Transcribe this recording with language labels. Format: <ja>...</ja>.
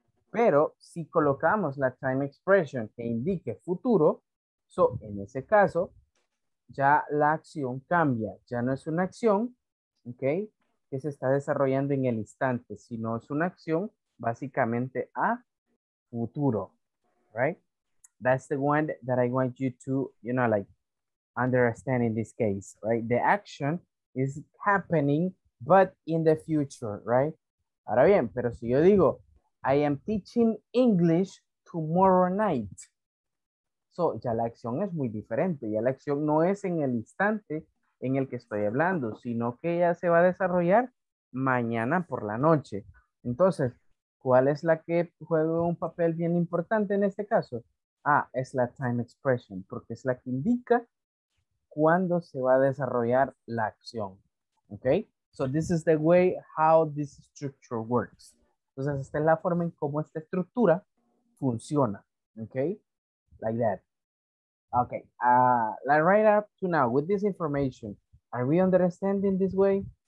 <es>Pero si colocamos la time expression que indique futuro, so, en ese caso, ya la acción cambia. Ya no es una acción, okay, que se está desarrollando en el instante, sino es una acción básicamente a futuro, right?</es> <en>That's the one that I want you to, you know, like, understand in this case, right? The action is happening, but in the future, right?</en> <es>Ahora bien, pero si yo digo,</es> <en>I am teaching English tomorrow night.</en> <es>So, ya la acción es muy diferente. Ya la acción no es en el instante en el que estoy hablando, sino que ya se va a desarrollar mañana por la noche. Entonces, ¿cuál es la que juega un papel bien importante en este caso? Ah, es la time expression, porque es la que indica cuándo se va a desarrollar la acción.</es> <en>Okay? So this is the way how this structure works.</en> <es>Entonces, esta es la forma en cómo esta estructura funciona.</es> <en>Okay? Like that. Okay. Like right up to now, with this information, are we understanding this way?</en>